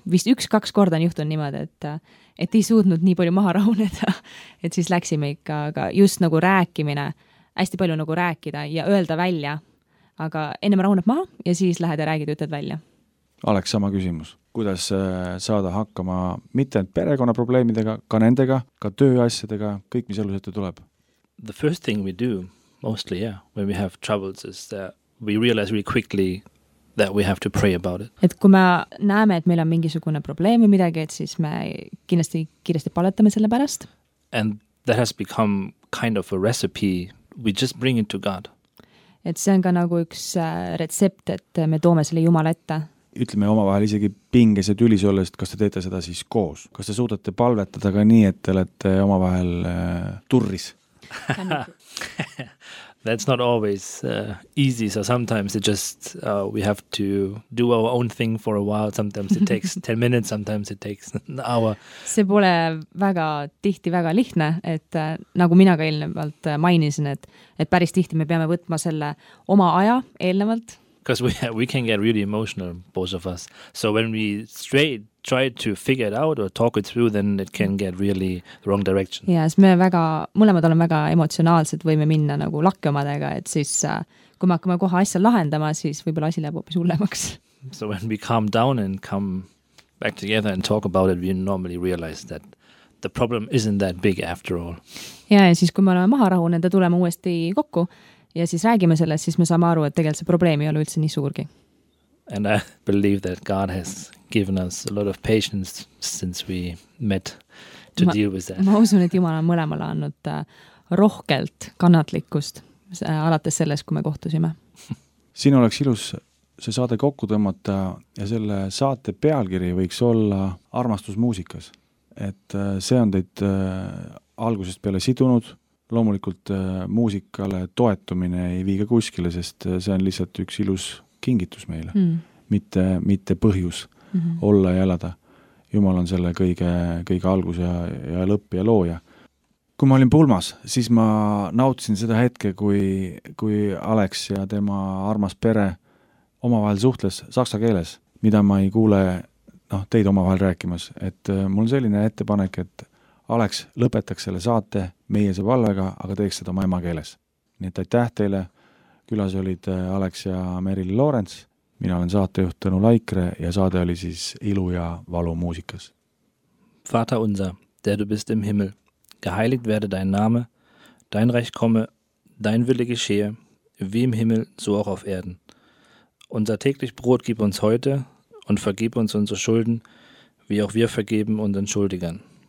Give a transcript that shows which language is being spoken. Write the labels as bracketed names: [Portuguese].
[Estonian] Vist üks-kaks korda on juhtunud niimoodi, et ei suudnud nii palju maha rahuneda, et siis läksime ikka, aga just nagu rääkimine, hästi palju nagu rääkida ja öelda välja, aga enne ma rahuneb maha ja siis lähed ja räägid ütled välja. Aleks, sama küsimus. Kuidas saada hakkama mitte perekonna probleemidega, ka nendega, ka tööasjadega, kõik, mis elusette tuleb? [English] The first thing we do, mostly, yeah, when we have troubles is that we realize really quickly that we have to pray about it. [Estonian] Et kui me näeme, et meil on mingisugune probleem või midagi, et siis me kindlasti palatame selle pärast. [English] And that has become kind of a recipe. We just bring it to God. [Estonian] Et see on ka nagu üks retsept, et me toome selle Jumal ette. Ütleme oma vahel isegi pinges ja tülis olles, kas te teete seda siis koos? Kas te suudate palvetada ka nii, et te olete oma vahel turris? [English] That's not always easy, so sometimes it just, we have to do our own thing for a while, sometimes it takes 10 minutes, sometimes it takes an hour. [Estonian] See pole väga tihti väga lihtne, et nagu mina ka eelnevalt mainisin, et päris tihti me peame võtma selle oma aja eelnevalt. [English] Because we can get really emotional, both of us. So when we straight try to figure it out or talk it through, then it can get really the wrong direction. [Estonian] Yeah, siis me väga, mõlemad olen väga emotsionaalsed, võime minna nagu lakkeomadega, et siis kui me hakkame koha asja lahendama, siis võibolla asi läheb hoopis hullemaks. [English] So when we calm down and come back together and talk about it, we normally realize that the problem isn't that big after all. [Estonian] Yeah, ja siis kui me oleme maha rahunud, ta tuleme uuesti kokku, ja siis räägime sellest, siis me saame aru, et tegelikult see probleem ei ole üldse nii suurgi. [English] And I believe that God has given us a lot of patience since we met to deal with that. [Estonian] Ma usun, et Jumal on mõlemale annud rohkelt kannatlikkust alates sellest, kui me kohtusime. Siin oleks ilus see saade kokku tõmmata ja selle saate pealkiri võiks olla armastus muusikas. Et see on teid algusest peale sidunud. Loomulikult muusikale toetumine ei viiga kuskile, sest see on lihtsalt üks ilus kingitus meile, mitte põhjus olla ja elada. Jumal on selle kõige algus ja lõpp ja looja. Kui ma olin pulmas, siis ma nautsin seda hetke, kui Alex ja tema armas pere omavahel suhtles saksa keeles, mida ma ei kuule teid omavahel rääkimas. Et mul on selline ettepanek, et Alex lõpetaks selle saate meie see valvega, aga teeks seda oma ema keeles. Nii et aitäh teile. Külas olid Alex ja Meril Lorenz. Mina olen saatejuht Tõnu Laikre ja saade oli siis ilu ja valu muusikas. [German] Vater unser, der du bist im Himmel, geheiligt werde dein Name, dein Reich komme, dein Wille geschehe, wie im Himmel, so auch auf Erden. Unser täglich Brot gib uns heute und vergib uns unsere Schulden, wie auch wir vergeben unseren Schuldigern.